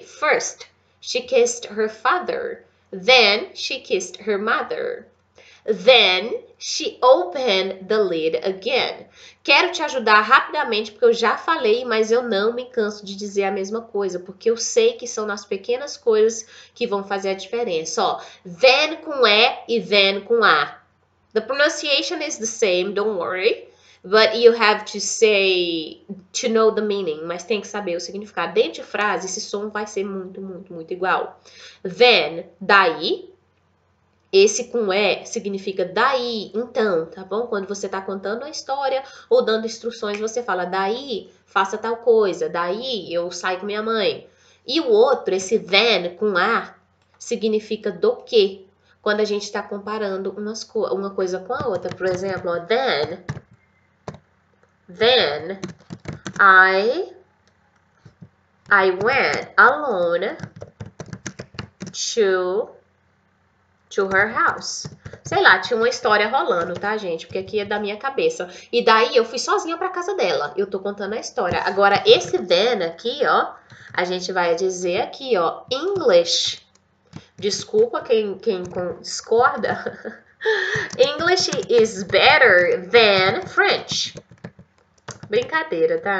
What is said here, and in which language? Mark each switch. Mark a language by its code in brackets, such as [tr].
[en] First, she kissed her father. Then, she kissed her mother. Then, she opened the lid again. [pt] Quero te ajudar rapidamente, porque eu já falei, mas eu não me canso de dizer a mesma coisa, porque eu sei que são nas pequenas coisas que vão fazer a diferença. Ó, then com E e then com A. [en] The pronunciation is the same, don't worry. But you have to say, to know the meaning. [pt] Mas tem que saber o significado. Dentro de frase, esse som vai ser muito, muito, muito igual. Then, daí. Esse com é significa daí, então, tá bom? Quando você tá contando a história ou dando instruções, você fala, daí, faça tal coisa. Daí, eu saio com minha mãe. E o outro, esse then com a, significa do quê? Quando a gente está comparando uma coisa com a outra. Por exemplo, ó, [en] then I went alone to her house. [pt] Sei lá, tinha uma história rolando, tá, gente? Porque aqui é da minha cabeça. E daí eu fui sozinha para casa dela. Eu tô contando a história. Agora esse then aqui, ó, a gente vai dizer aqui, ó, English. Desculpa quem discorda. [en] English is better than French. [pt] Brincadeira, tá?